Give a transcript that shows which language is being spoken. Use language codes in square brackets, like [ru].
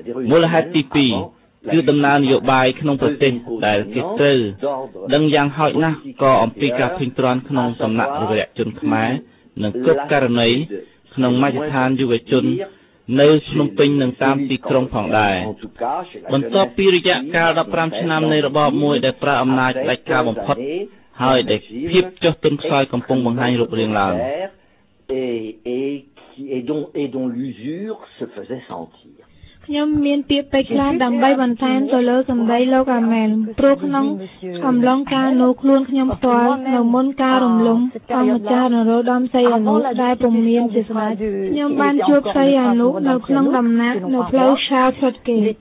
[km] មូលហេតុទី2គឺដំណើរនយោបាយក្នុងប្រទេសដែលគេត្រូវដឹងយ៉ាងហោចណាស់ក៏អំពីការភិនត្រន់ក្នុងសំណាក់រាជជនខ្មែរនិងគ្រប់ករណីក្នុងមជ្ឈដ្ឋានយុវជននៅភ្នំពេញនិងតាមទីក្រុងផងដែរបន្ទាប់ពីរយៈកាល15ឆ្នាំនៃរបបមួយដែលប្រើអំណាចដាច់ការបំផុតហើយដែលភាពចុះទន់ខ្សោយកំពុងបង្ហាញរូបរាងឡើង ឯដង [fr] lusure se faisait sentir [km] ខ្ញុំមានពាក្យពេចន៍ខ្លះដើម្បីបន្ថែមទៅលើសម្ដីលោកអាម៉ែនព្រោះក្នុងអំឡុងការនៅខ្លួនខ្ញុំផ្ទាល់នៅមុនការរំលំអង្គការនរោត្តមសីហនុដែលពុំមានជាស្មារតីខ្ញុំបានជួបសីហនុនៅក្នុងដំណាក់នៅផ្លូវឆាវសុតគេ